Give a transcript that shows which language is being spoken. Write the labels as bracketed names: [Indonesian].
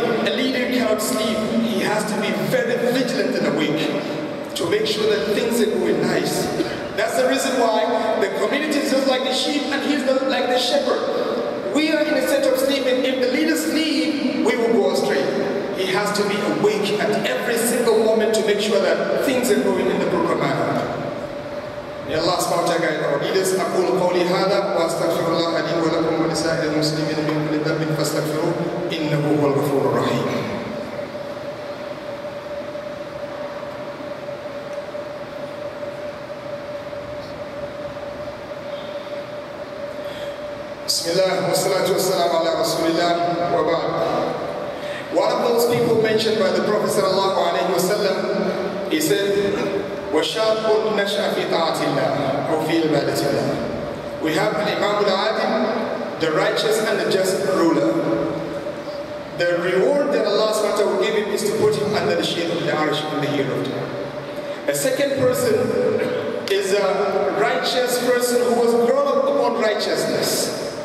[English] A leader cannot sleep. He has to be very vigilant and awake to make sure that things are going nice. That's the reason why the community is just like the sheep and he's not like the shepherd. We are in a state of sleep, and if the leader sleeps, we will go astray. He has to be awake at every single moment to make sure that things are going in the proper manner. [Arabic] يا الله سبحانه وتعالى أريدس أقول قولي هذا وأستغفر الله لي ولكم ولسائر المسلمين من كل ذنب فاستغفروه إنه هو الغفور الرحيم. بسم الله والصلاة والسلام على رسول الله وبعد. [English] One of those people mentioned by the Prophet [Arabic] صلى الله عليه وسلم, [English] he said, [Arabic] وشاب نشأ في طاعة الله أو في عبادة الله. [English] We have an Imam al-Adil, the righteous and the just ruler. The reward that Allah SWT will give him is to put him under the shade of the Arsh in the hereafter. A second person is a righteous person who was grown up upon righteousness.